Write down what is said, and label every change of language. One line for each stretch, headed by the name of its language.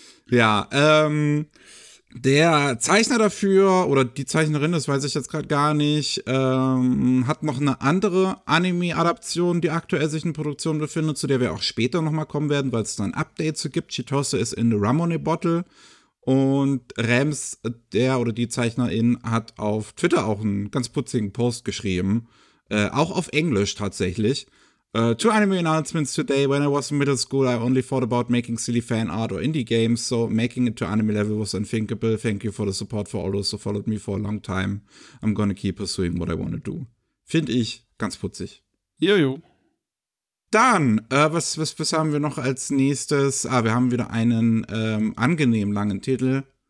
German: Ja, der Zeichner dafür oder die Zeichnerin, das weiß ich jetzt gerade gar nicht, hat noch eine andere Anime-Adaption, die aktuell sich in Produktion befindet, zu der wir auch später nochmal kommen werden, weil es dann Updates so gibt. Chitose ist in The Ramone Bottle und Rems, der oder die Zeichnerin, hat auf Twitter auch einen ganz putzigen Post geschrieben, auch auf Englisch tatsächlich.
English: Two anime announcements today. When I was in middle school, I only thought about making silly fan art or indie games, so making it to anime level was unthinkable. Thank you for the support for all those who followed me for a long time. I'm gonna keep pursuing what I wanna do.
German: Finde ich ganz putzig. Jojo. Dann, was haben wir noch als nächstes? Ah, wir haben wieder einen angenehm langen Titel.